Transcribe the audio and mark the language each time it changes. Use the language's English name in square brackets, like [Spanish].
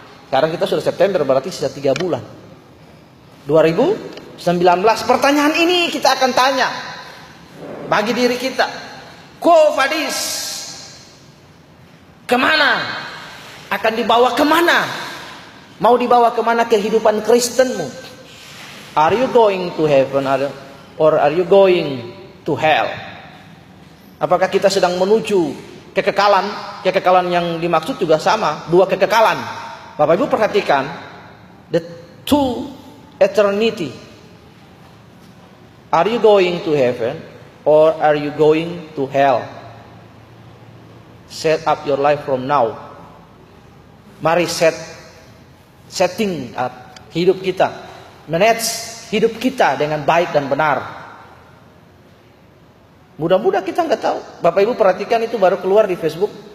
[Indonesian] Sekarang kita sudah September, berarti sisa 3 bulan 2019. Pertanyaan ini kita akan tanya bagi diri kita. [Latin] Quo vadis? [Indonesian] Kemana? Akan dibawa kemana? Mau dibawa kemana kehidupan Kristenmu? [English] Are you going to heaven or are you going to hell? [Indonesian] Apakah kita sedang menuju kekekalan? Kekekalan yang dimaksud juga sama, dua kekekalan. Bapak Ibu perhatikan, [English] the two eternity. Are you going to heaven or are you going to hell? Set up your life from now. [Indonesian] Mari setting up hidup kita, manage hidup kita dengan baik dan benar. Mudah-mudahan kita enggak tahu. Bapak Ibu perhatikan, itu baru keluar di Facebook.